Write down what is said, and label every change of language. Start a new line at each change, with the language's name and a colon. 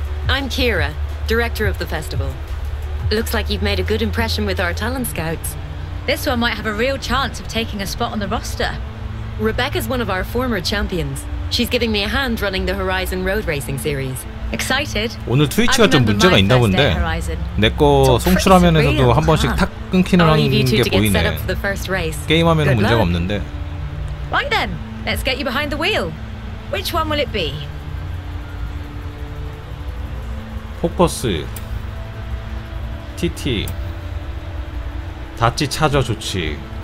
English: I'm Kira, director of the festival. Looks like you've made a good impression with our talent scouts. This one might have a real chance of taking a spot on the roster. Rebecca's one of our former champions. She's giving me a hand running the Horizon Road Racing Series. Excited.
Korean: 오늘 트위치가 좀 문제가 있나 본데. 내 거 송출화면에서도 한 번씩 탁 끊기는 게 보이네. 게임 화면은 문제가 없는데.
English: Right then, let's get you behind the wheel. Which one will it be?
Korean: 포커스 TT 다치 차저 좋지.